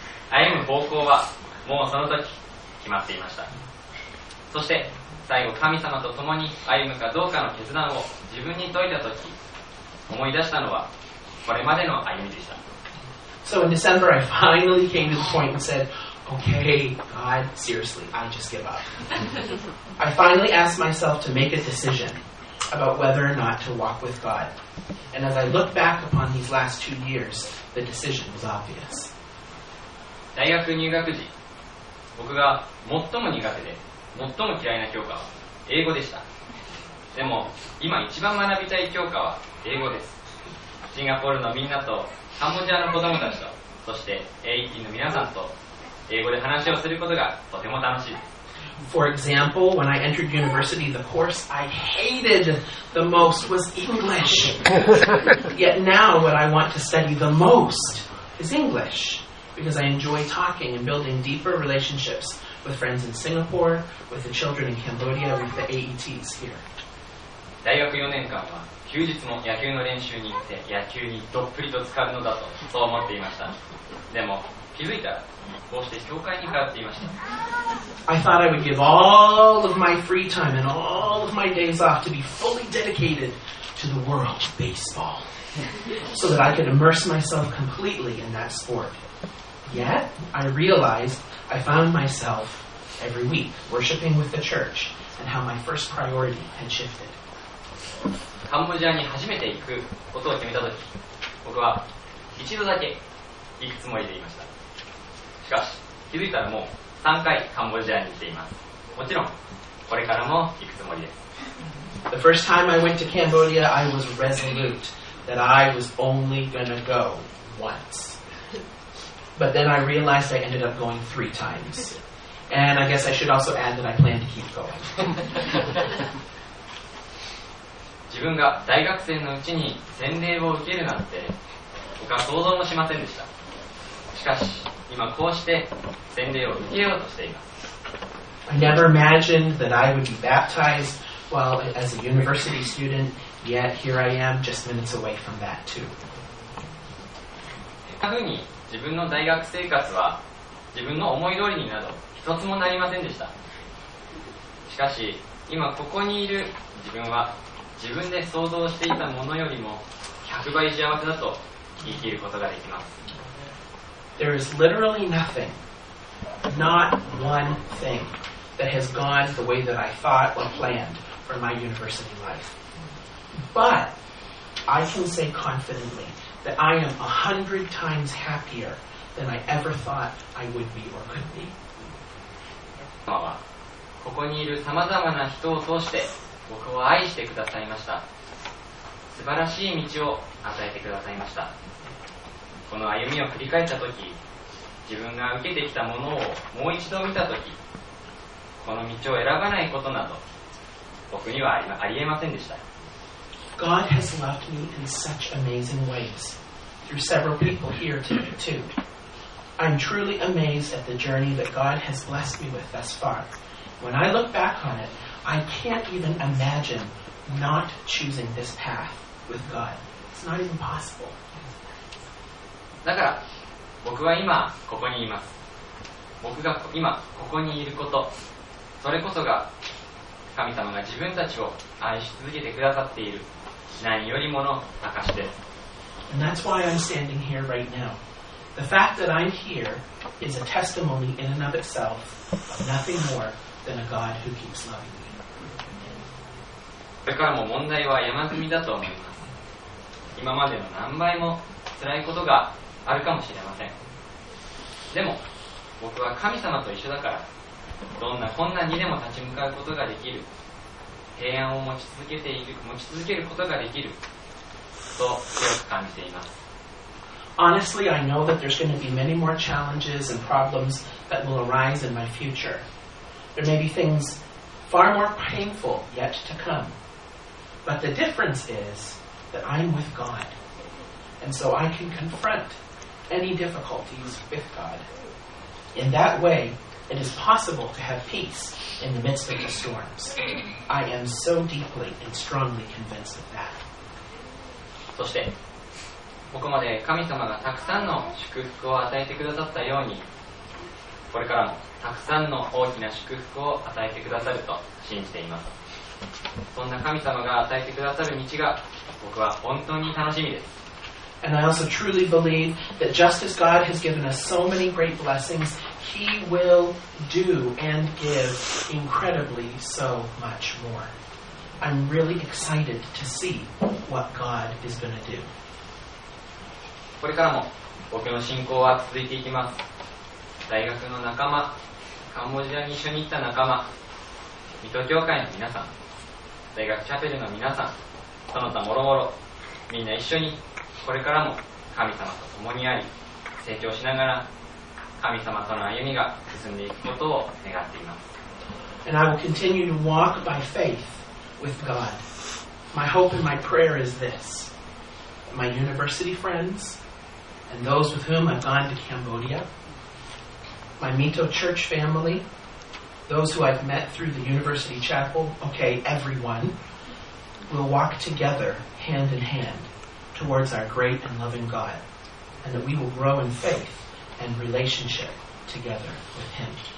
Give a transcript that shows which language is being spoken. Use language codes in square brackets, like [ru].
[ja] 歩む方向は、もうその時、決まっていました。そして、最後、神様と共に歩むかどうかの決断を自分に解いた時、思い出したのは、これまでの歩みでした。 [en] So in December, I finally came to the point and said, okay, God, seriously, I just give up. I finally asked myself to make a decision about whether or not to walk with God. And as I look back upon these last 2 years, the decision was obvious. [ja] 大学入学時、僕が最も苦手で最も嫌いな教科は英語でした。でも、今一番学びたい教科は英語です。シンガポールのみんなとカンボジアの子供たちと、そして AET の皆さんと英語で話をすることがとても楽しいです。 [en] For example, when I entered university, the course I hated the most was English. Yet now, what I want to study the most is English, because I enjoy talking and building deeper relationships with friends in Singapore, with the children in Cambodia, with the AETs here. [ja] 大学4年間は休日も野球の練習に行って野球にどっぷりと浸かるのだとそう思っていました。でも気づいたらこうして教会に通っていました。 [en] I thought I would give all of my free time and all of my days off to be fully dedicated to the world of baseball so that I could immerse myself completely in that sport. Yet I realized I found myself every week worshiping with the church and how my first priority had shifted. [ja] カンボジアに初めて行くことを決めたとき、僕は一度だけ行くつもりでいました。しかし、気づいたらもう3回カンボジアに行っています。もちろん、これからも行くつもりです。 [en] The first time I went to Cambodia, I was resolute that I was only gonna go once. But then I realized I ended up going 3 times. And I guess I should also add that I plan to keep going. [ja] 自分が大学生のうちに洗礼を受けるなんて僕は想像もしませんでした。しかし今こうして洗礼を受けようとしています。 [en] I never imagined that I would be baptized while as a university student, yet here I am just minutes away from that too. [ja] こんなふうに自分の大学生活は自分の思い通りになど一つもなりませんでした。しかし今ここにいる自分は自分で想像していたものよりも100倍幸せだと言い切ることができます。 [en] There is literally nothing, not one thing, that has gone the way that I thought or planned for my university life. But I can say confidently that I am 100 times happier than I ever thought I would be or could be. [ja] ここにいる様々な人を通して僕を愛してくださいました。素晴らしい道を与えてくださいました。この歩みを振り返ったとき、自分が受けてきたものをもう一度見たとき、この道を選ばないことなど僕にはありえませんでした。 [en] God has loved me in such amazing ways through several people here too. I'm truly amazed at the journey that God has blessed me with thus far. When I look back on itI can't even imagine not choosing this path with God. It's not even possible. [ja] だから僕は今ここにいます。僕が今ここにいること、それこそが神様が自分たちを愛し続けてくださっている何よりもの証です。 [en] And that's why I'm standing here right now. The fact that I'm here is a testimony in and of itself of nothing more than a God who keeps loving me. [ja] それからも問題は山積みだと思います。今までの何倍も辛いことがあるかもしれません。でも僕は神様と一緒だから、どんな困難にでも立ち向かうことができる、平安を持ち続けることができると強く感じています。 [en] Honestly, I know that there's going to be many more challenges and problems that will arise in my future. There may be things far more painful yet to come. But the difference is that I'm with God. And so I can confront any difficulties with God. In that way, it is possible to have peace in the midst of the storms. I am so deeply and strongly convinced of that. [ja] そして、ここまで神様がたくさんの祝福を与えてくださったように、これからもたくさんの大きな祝福を与えてくださると信じています。そんな神様が与えてくださる道が僕は本当に楽しみです。 [en] And I also truly believe that just as God has given us so many great blessings, He will do and give incredibly so much more. I'm really excited to see what God is going to do. [ja] これからも僕の信仰は続いていきます。大学の仲間、カンボジアに一緒に行った仲間、水戸教会の皆さん、大学チャペルの皆さん、その他もろもろ、みんな一緒にこれからも神様と共にあり、成長しながら神様との歩みが進んでいくことを願っています。 [en] And I will continue to walk by faith with God. My hope and my prayer is this: my university friends and those with whom I've gone to CambodiaMy Mito church family, those who I've met through the university chapel, okay, everyone, will walk together hand in hand towards our great and loving God, and that we will grow in faith and relationship together with Him.